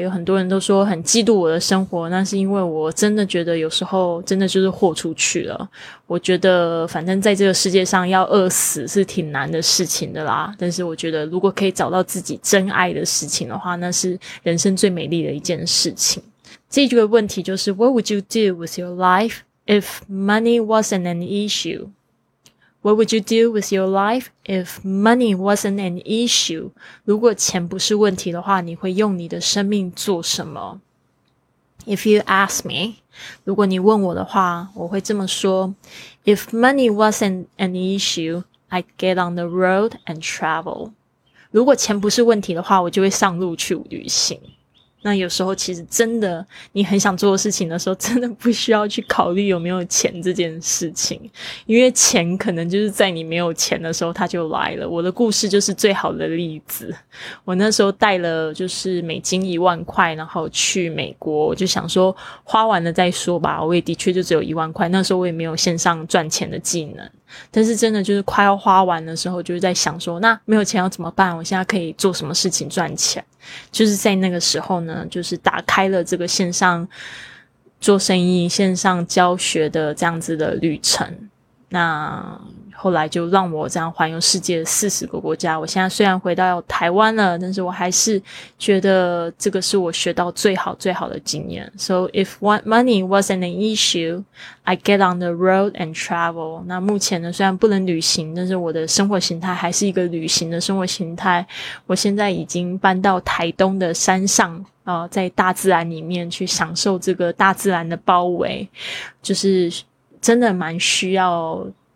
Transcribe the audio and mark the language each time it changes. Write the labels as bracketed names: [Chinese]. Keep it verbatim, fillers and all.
[Chinese] 有很多人都说很嫉妒我的生活，那是因为我真的觉得有时候真的就是豁出去了。我觉得反正在这个世界上要饿死是挺难的事情的啦，但是我觉得如果可以找到自己真爱的事情的话，那是人生最美丽的一件事情。这个问题就是 [English] What would you do with your life if money wasn't an issue? What would you do with your life if money wasn't an issue? [Chinese] 如果钱不是问题的话，你会用你的生命做什么？ [English] If you ask me, [Chinese] 如果你问我的话，我会这么说 [English] If money wasn't an issue, I'd get on the road and travel. [Chinese] 如果钱不是问题的话，我就会上路去旅行。那有时候其实真的你很想做的事情的时候，真的不需要去考虑有没有钱这件事情，因为钱可能就是在你没有钱的时候它就来了。我的故事就是最好的例子。我那时候带了就是美金一万块然后去美国，我就想说花完了再说吧，我也的确就只有一万块，那时候我也没有线上赚钱的技能。但是真的就是快要花完的时候，就是在想说那没有钱要怎么办，我现在可以做什么事情赚钱。就是在那个时候呢，就是打开了这个线上做生意线上教学的这样子的旅程。那后来就让我这样环游世界四十个国家。我现在虽然回到台湾了，但是我还是觉得这个是我学到最好最好的经验。 [English] So if money wasn't an issue, I get on the road and travel. [Chinese] 那目前呢，虽然不能旅行，但是我的生活形态还是一个旅行的生活形态。我现在已经搬到台东的山上，呃，在大自然里面去享受这个大自然的包围，就是真的蛮需要